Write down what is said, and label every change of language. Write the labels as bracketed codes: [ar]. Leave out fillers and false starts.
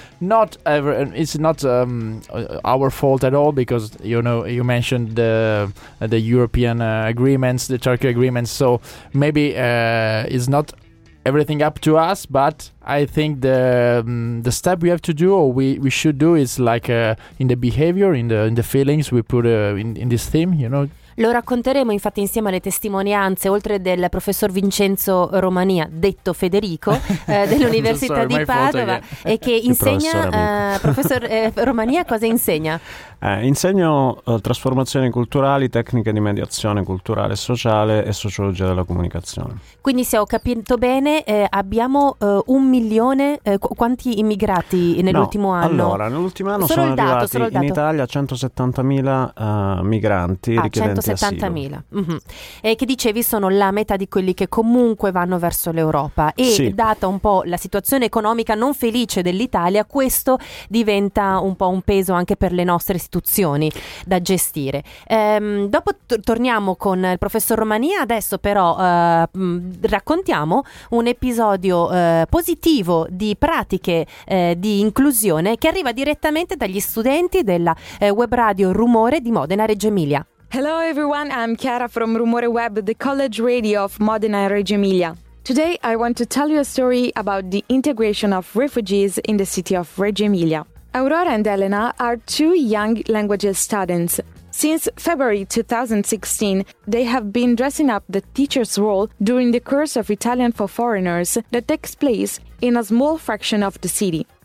[en] Not ever, it's not our fault at all, because you know, you mentioned the European agreements, the Turkey agreements. So maybe it's not everything up to us, but I think the step we have to do, or we should do, is like in the behavior, in the feelings we put in this theme, you know. [it] Lo racconteremo infatti insieme alle testimonianze, oltre del professor Vincenzo Romania, detto Federico, dell'Università di Padova, e che insegna, professor Romania, cosa insegna? Insegno trasformazioni culturali, tecniche di mediazione culturale e sociale e sociologia della comunicazione. Quindi, se ho capito bene, abbiamo un milione, quanti immigrati nell'ultimo anno? Allora, nell'ultimo anno sono arrivati in Italia 170.000 migranti richiedenti. 170.000. Mm-hmm. E che dicevi sono la metà di quelli che comunque vanno verso l'Europa. E sì, data un po' la situazione economica non felice dell'Italia, questo diventa un po' un peso anche per le nostre istituzioni da gestire. Dopo torniamo con il professor Romania. Adesso però raccontiamo un episodio positivo di pratiche di inclusione che arriva direttamente dagli studenti della web radio Rumore di Modena Reggio Emilia. [en] Hello everyone, I'm Chiara from Rumore Web, the college radio of Modena and Reggio Emilia. Today I want to tell you a story about the integration of refugees in the city of Reggio Emilia. Aurora and Elena are two young languages students. Since February 2016, they have been dressing up the teacher's role during the course of Italian for Foreigners that takes place in a small fraction of the city.